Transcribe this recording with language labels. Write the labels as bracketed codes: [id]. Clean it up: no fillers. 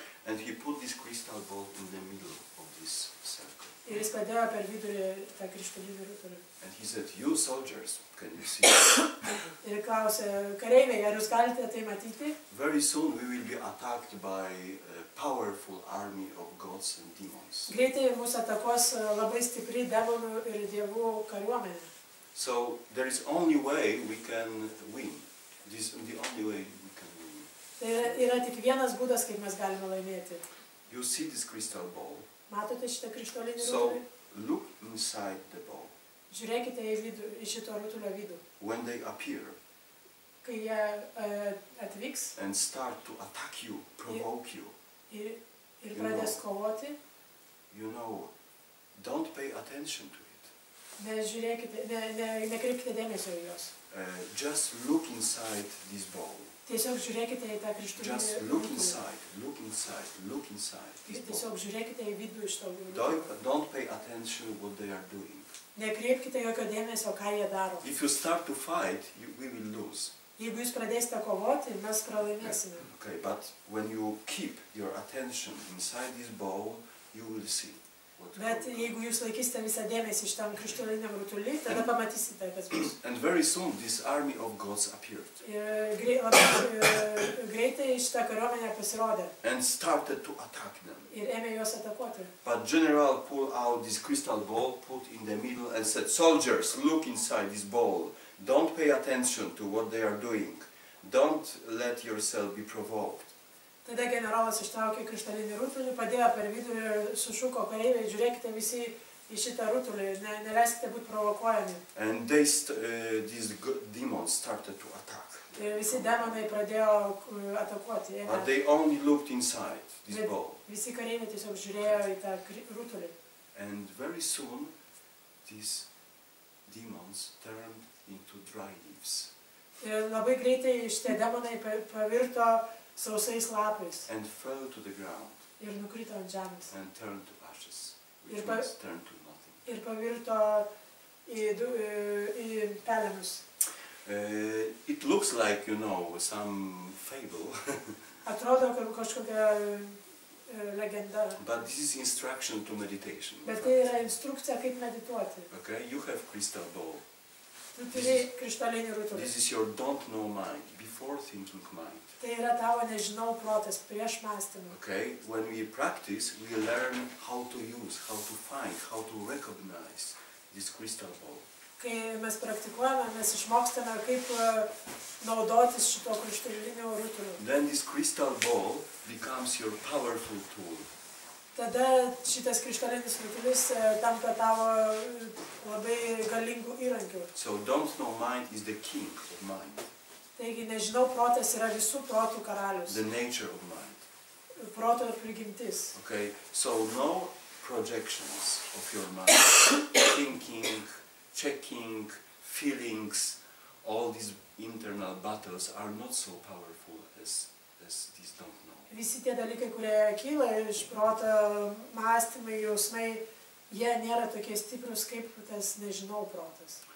[en] And he put this crystal ball in the middle of this circle. [lt] Ir jis padėjo per vidurį tą krištolinį rutulį. [en] And he said, "You soldiers, can you see?" [lt] Ir klausė, kareiviai, ar jūs galite tai matyti? [en] Very soon we will be attacked by a powerful army of gods and demons. [lt] Greitai mus atakos labai stipri demonų ir dievų kariuomenė. [en] So there is only way we can win. This is the only way we can win. [lt] Tai yra tik vienas būdas, kaip mes galime laimėti. [en] You see this crystal ball? [lt] Matote šitą krištolinį rutulį? [en] So look inside the ball. [lt] Žiūrėkite į vidų, į šito rutulio vidų. [en] When they appear, [lt] kai jie atvyks, [en] and start to attack you, provoke you, [lt] ir pradės kovoti, [en] you know, don't pay attention to it. [lt] Nekreipkite dėmesio į juos. [en] Just look inside this ball. [lt] Tiesiog žiūrėkite į tą krištolinį. [en] Just look inside, look inside, look inside. [lt] Tiesiog žiūrėkite į vidų iš to rutulio. [en] Don't pay attention what they are doing. [lt] Nekreipkite jokio dėmesio, ką jie daro. [en] If you start to fight, we will lose. [lt] Jeigu jūs pradėsite kovoti, mes pralaimėsime. [en] Okay, but when you keep your attention inside this bowl, you will see. [lt] Bet jeigu jūs laikysite visą dėmesį šitam krištoliniam rutulį, tada pamatysite, kas bus. [en] And very soon this army of gods appeared. [lt] Greitai šita kariuomenė pasirodė. [en] And started to attack them. [lt] Ir ėmė juos atakuoti. [en] But general pulled out this crystal ball, put in the middle and said, "Soldiers, look inside this ball. Don't pay attention to what they are doing. Don't let yourself be provoked." [lt] Tada generolas ištraukė krištolinį rutulį, padėjo per vidurį ir sušuko kareiviai, žiūrėkite visi į šitą rutulį, neleiskite būti provokuojami. [en] And these demons started to attack. [lt] Ir visi demonai pradėjo atakuoti. [en] But they only looked inside this ball. [lt] Visi kareiviai tiesiog žiūrėjo į tą rutulį. [en] And very soon these demons turned into dry leaves. [lt] Ir labai greitai šitie demonai pavirto sausais lapais. [en] And fell to the ground. [lt] Ir nukrito ant žemės. [en] And turned to ashes. Which turned to nothing. [lt] Ir pavirto į pelenus. [en] It looks like, you know, some fable. [lt] Atrodo kaip kažkokia legenda. [en] But this is instruction to meditation. [lt] Bet tai yra instrukcija kaip medituoti. [en] Okay, you have crystal ball. [lt] Tu turi krištolinį rutulį. [en] This is your don't know mind, before thinking mind. [lt] Tai yra tavo nežinau protas prieš mąstymą. [en] Okay, when we practice, we learn how to use, how to find, how to recognize this crystal ball. [lt] Kai mes praktikuojame, mes išmokstame, kaip naudotis šito krištolinio rutulio. [en] Then this crystal ball becomes your powerful tool. [lt] Tada šitas krištolinis rutulis tampa tavo labai galingu įrankiu. [en] So don't know mind is the king of mind. [lt] Taigi nežinau protas yra visų protų karalius. [en] The nature of mind. [lt] Proto prigimtis. [en] Okay, so no projections of your mind. Thinking, checking, feelings, all these internal battles are not so powerful as these don't know. [lt] Visi tie dalykai, kurie kyla iš proto, mąstymai, jausmai, jie nėra tokie stiprūs kaip tas nežinau protas.